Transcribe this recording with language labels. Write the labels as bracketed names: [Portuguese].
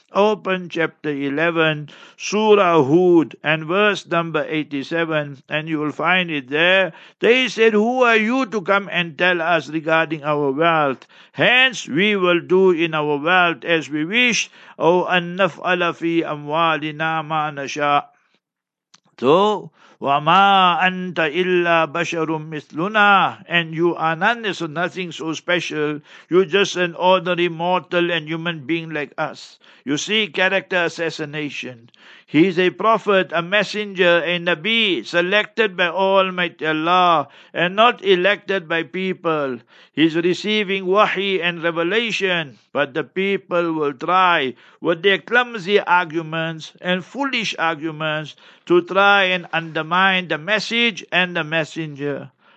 [English] Open chapter 11, Surah Hud, and verse number 87, and you will find it there. They said, who are you to come and tell us regarding our wealth? Hence we will do in our wealth as we wish. [Arabic] O annaf'ala fi amwalina ma nasha. So, وَمَا أَنْتَ إِلَّا بَشَرٌ مِثْلُنَا. [English] And you are none, so nothing so special. You're just an ordinary mortal and human being like us. You see, character assassination. He's a prophet, a messenger, a Nabi, selected by Almighty Allah and not elected by people. He's receiving wahi and revelation, but the people will try with their clumsy arguments and foolish arguments to try and undermine the message and the messenger.